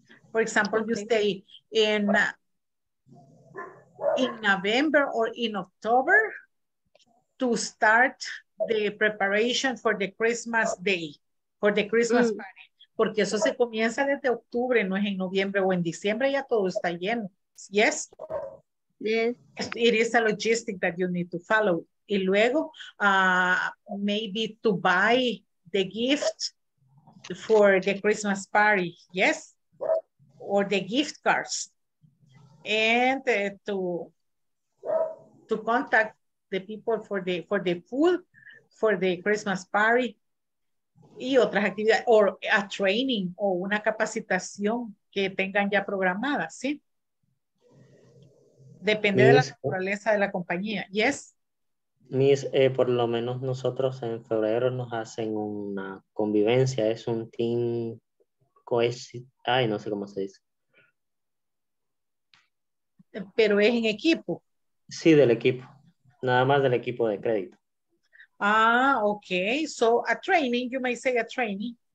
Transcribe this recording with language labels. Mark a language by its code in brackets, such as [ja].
[en] For example, you stay in November or in October to start the preparation for the Christmas day, for the Christmas party. [es] Porque eso se comienza desde octubre, no es en noviembre o en diciembre, ya todo está lleno. [en] Yes? Yes. It is a logistic that you need to follow. [es] Y luego, [en] maybe to buy the gift for the Christmas party, yes? Or the gift cards. And to contact the people for the food for the Christmas party. [es] Y otras actividades, [en] or a training, [es] o una capacitación que tengan ya programada, ¿sí? Depende de la naturaleza de la compañía, yes? Miss, por lo menos nosotros en febrero nos hacen una convivencia, es un team no sé cómo se dice. Pero es en equipo. Sí, del equipo, nada más del equipo de crédito. [en] Ah, okay. So a training, you may say a training.